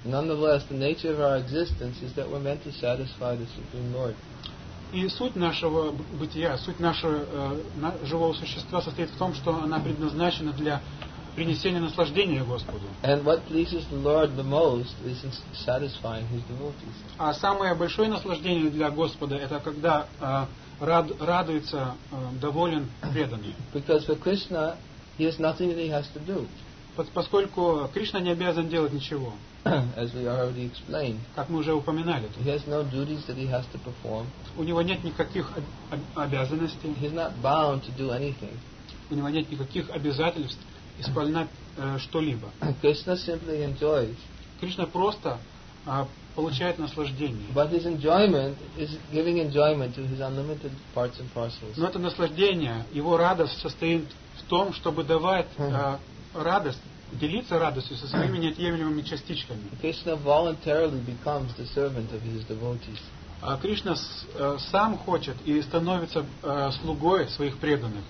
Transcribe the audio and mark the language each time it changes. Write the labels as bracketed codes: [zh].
[en] Nonetheless, the nature of our existence is that we're meant to satisfy the Supreme Lord. [ru] И суть нашего бытия, суть нашего живого существа состоит в том, что она предназначена для принесения наслаждения Господу. [en] And what pleases the Lord the most is in satisfying his devotees. [ru] А самое большое наслаждение для Господа это когда радуется доволен преданный. [en] Because for Krishna, he has nothing that he has to do. [ru] Поскольку Кришна не обязан делать ничего, [en] as we already explained, [ru] как мы уже упоминали, [en] he has no duties that he has to perform. [ru] У него нет никаких обязанностей. [en] He is not bound to do anything. [ru] У него нет никаких обязательств исполнять что-либо. [en] Krishna simply enjoys. [ru] Кришна просто получает наслаждение. [en] But his enjoyment is giving enjoyment to his unlimited parts and parcels. [ru] Но это наслаждение, его радость состоит в том, чтобы давать радость, делиться радостью со своими неотъемлемыми частичками. [en] Krishna voluntarily becomes the servant of his devotees. [ru] Кришна сам хочет и становится слугой своих преданных.